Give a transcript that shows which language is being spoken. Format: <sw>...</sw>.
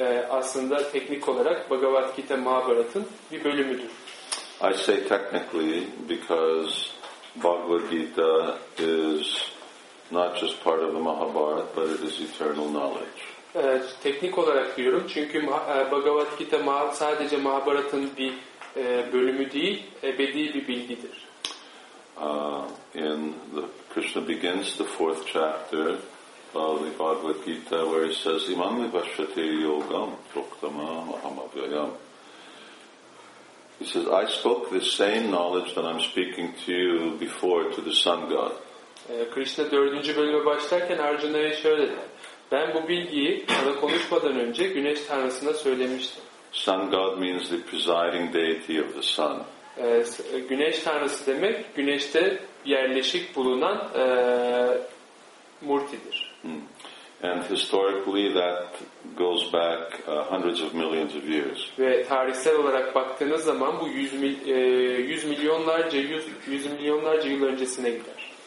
<tr>Aslında teknik olarak Bhagavad Gita Mahabharat'ın bir bölümüdür.</tr> <en>I say technically because Bhagavad Gita is not just part of the Mahabharat, but it is eternal knowledge.</en> <tr>Teknik olarak diyorum çünkü Bhagavad Gita sadece Mahabharat'ın bir bölümü değil, ebedi bir bilgidir.</tr> <en>In the Krishna begins the fourth chapter of the Bhagavad Gita where he says,</en> <sa>"Imam vashate yogam proktama mahamavyayam."</sa> <en>He says, "I spoke the same knowledge that I'm speaking to you before to the sun god."</en> <tr>Krishna 4. bölüme başlarken Arjuna'ya şöyle dedi. Ben bu bilgiyi sana konuşmadan önce Güneş Tanrısına söylemiştim.</tr> <en>Sun God means the presiding deity of the sun.</en> <tr>Güneş Tanrısı demek Güneş'te yerleşik bulunan Murti'dir.</tr> <en>And historically that goes back hundreds of millions of years.</en> <tr>Ve tarihsel olarak baktığınız zaman bu yüz milyonlarca yıl öncesine gider.</tr>